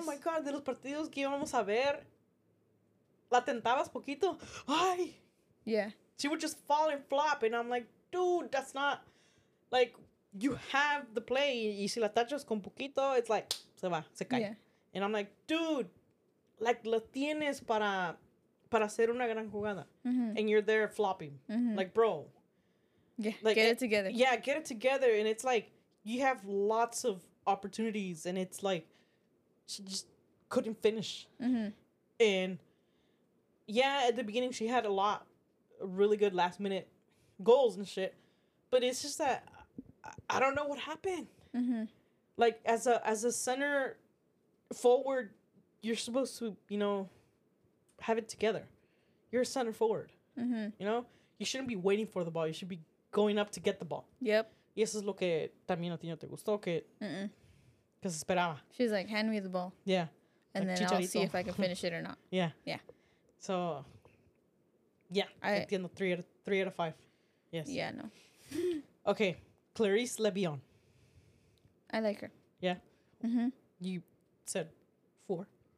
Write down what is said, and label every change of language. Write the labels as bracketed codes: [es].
[en] Oh, my God. [es] De los partidos que íbamos a ver, la tentabas poquito. Ay. [en] Yeah. She would just fall and flop. And I'm like, dude, that's not, like, you have the play. [es] Y si la tachas con poquito, [en] it's like, [es] se va, se cae. [en] Yeah. And I'm like, dude. Like, [es] lo tienes para hacer una gran jugada. [en] Mm-hmm. And you're there flopping. Mm-hmm. Like, bro. Yeah, like, get it together. Yeah, get it together. And it's like, you have lots of opportunities. And it's like, she just couldn't finish. Mm-hmm. And, yeah, at the beginning, she had a lot of really good last minute goals and shit. But it's just that I don't know what happened. Mm-hmm. Like, as a center forward, you're supposed to, you know, have it together. You're a center forward. Mm-hmm. You know? You shouldn't be waiting for the ball. You should be going up to get the ball. Yep. [es] Y eso es lo que también a ti no te gustó, que... [en] Because [es] esperaba. [en] She's like, hand me the ball. Yeah. And like, then Chicharito. I'll see if I can finish it or not. Yeah. Yeah. So, yeah. I [es] entiendo. [en] 3 out of 5. Yes. Yeah, no. Okay. Clarice LeBion. I like her. Yeah. Mm-hmm. You said 4.